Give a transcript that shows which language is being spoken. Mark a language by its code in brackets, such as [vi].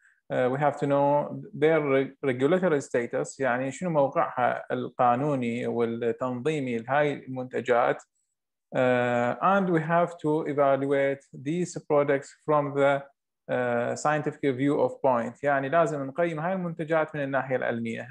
[en] We have to know their regulatory status، [ar] يعني شنو موقعها القانوني والتنظيمي لهاي المنتجات. [en] And we have to evaluate these products from the scientific view of point. [ar] يعني لازم نقيم هاي المنتجات من الناحية العلمية.